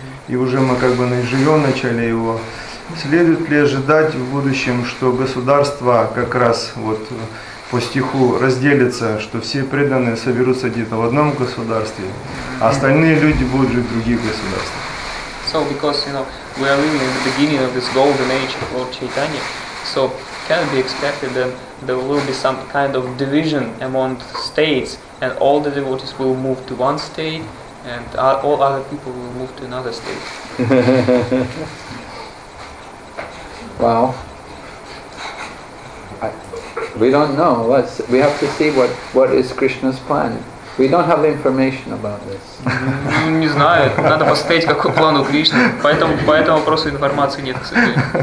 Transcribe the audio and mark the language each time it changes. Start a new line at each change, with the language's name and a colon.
Russian: И уже мы как бы наживем начали его. Следует ли ожидать в будущем, что государство как раз вот по стиху разделится, что все преданные соберутся где-то в одном государстве, а остальные люди будут жить в других государствах?
English: So because you know we are living in the beginning of this golden age of Lord Chaitanya, so can it be expected that there will be some kind of division among states and all the devotees will move to one state and all other people will move to another state? Well, we don't know. We have to see what is Krishna's plan. We don't have information about this.
Russian: Не знаю. Надо посмотреть, какой план у Кришны. Поэтому вопросу информации нет, к сожалению.